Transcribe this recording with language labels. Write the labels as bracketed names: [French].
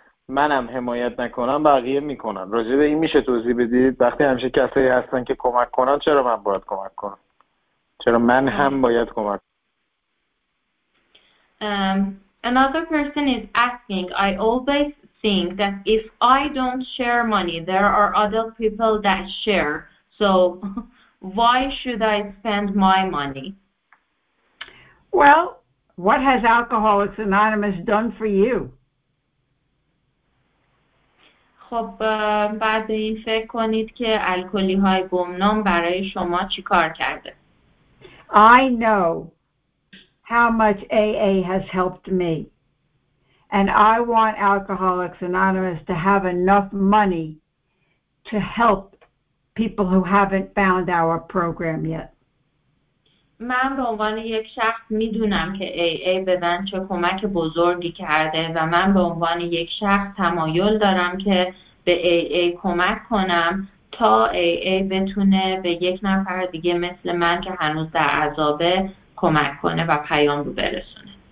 [Persian] منم حمایت نکنم بقیه میکنن. راجع به این میشه توضیح بدید؟ وقتی همیشه کسایی هستن که کمک کنن، چرا من باید کمک کنم؟ چرا من هم باید کمک کنم؟ [English] Another person is asking, I always think that if I don't share money, there are other people that share. So why should I spend my money? Well, what has Alcoholics Anonymous done for you? [Persian] خب بعد این فکر کنید که الکلی های گمنام برای شما چی کار کرده. [English] I know how much AA has helped me. And I want Alcoholics Anonymous to have enough money to help people who haven't found our program yet. [Persian] من به عنوان یک شخص میدونم که AA به من چه کمک بزرگی کرده و من به عنوان یک شخص تمایل دارم که به AA کمک کنم تا AA بتونه به یک نفر دیگه مثل من که هنوز در عذابه کمک کنه و پیام رو برسونه.